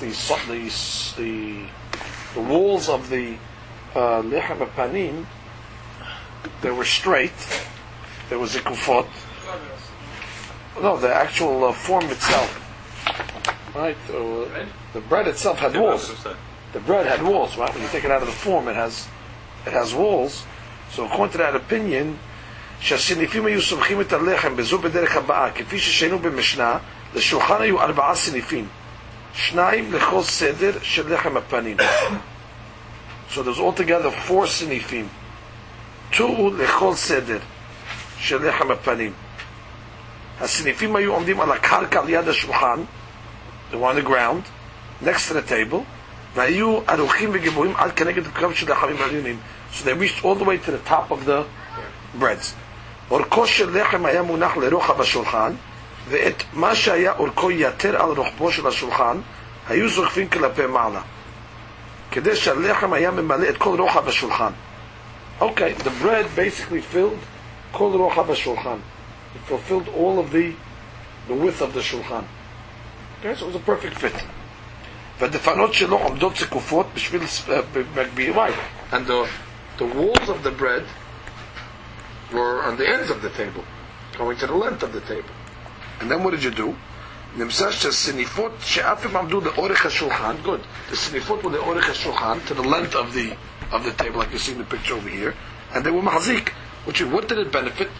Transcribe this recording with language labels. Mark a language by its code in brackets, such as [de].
[en] The walls of the lechem panim, they were straight. There was a kufot. No, the actual form itself. Right. The bread itself had walls. The bread had walls, right? When you take it out of the form, it has walls. [he] So according to that opinion, שהסניפים היו סומכים את הלחם בזו בדרך הבאה, כפי ששנו במשנה, לשולחן היו ארבעה סניפים, שניים לכל סדר של לחם הפנים. [en] So there's altogether four סניפים, two [he] לכל סדר של לחם הפנים. הסניפים היו עומדים על הקרקע ליד השולחן, [en] they were on the ground, next to the table, [he] והיו ארוכים וגבוהים עד כנגד הקרב של לחמים העליונים. [en] So they reached all the way to the top of the breads. [he] אורכו של לחם היה מונח לרוחב השולחן, ואת מה שהיה אורכו יתר על רוחבו של השולחן, היו זוכפים כלפי מעלה, כדי שהלחם היה ממלא את כל רוחב השולחן. [en] Okay, the bread basically filled [he] כל רוחב השולחן. [en] It fulfilled all of the width of the שולחן. Okay, so it was a perfect fit. [he] והדפנות שלו עומדות זקופות בשביל מקביל וייב. [en] And the walls of the bread were on the ends of the table, going to the length of the table. And then what did you do? [he] נמצא שהסניפות שאף הם עמדו לאורך השולחן, [en] good, the סניפות were [he] לאורך השולחן, [en] to the length of the table, like you see in the picture over here, and they were מחזיק, which what did it benefit?